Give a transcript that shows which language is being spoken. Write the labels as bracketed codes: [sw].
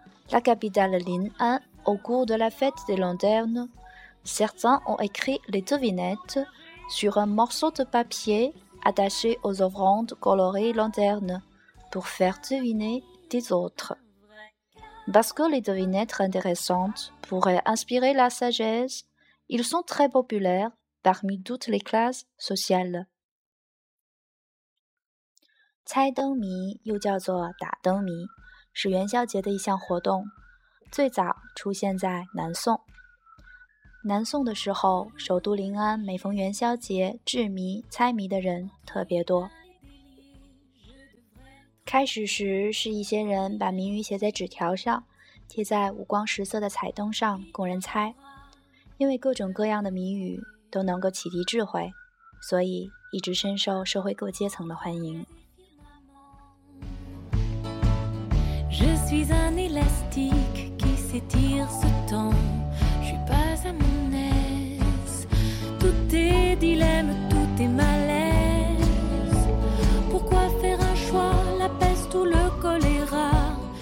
[fr] La capitale Lin'an, au cours de la fête des lanternes, certains ont écrit les devinettes sur un morceau de papier attaché aux offrandes colorées lanternes pour faire deviner des autres. Parce que les devinettes intéressantes pourraient inspirer la sagesse, ils sont très populaires parmi toutes les classes sociales. [zh] 猜灯谜又叫做打灯谜，是元宵节的一项活动，最早出现在南宋。南宋的时候，首都临安每逢元宵节，制谜猜谜的人特别多。开始时是一些人把谜语写在纸条上，贴在五光十色的彩灯上供人猜，因为各种各样的谜语都能够启迪智慧，所以一直深受社会各阶层的欢迎。 [fr] Je suis un élastique qui s'étire, se tend. Je suis pas à mon aise. Tous tes dilemmes, tous tes malaises. Pourquoi faire un choix, la peste ou le choléra?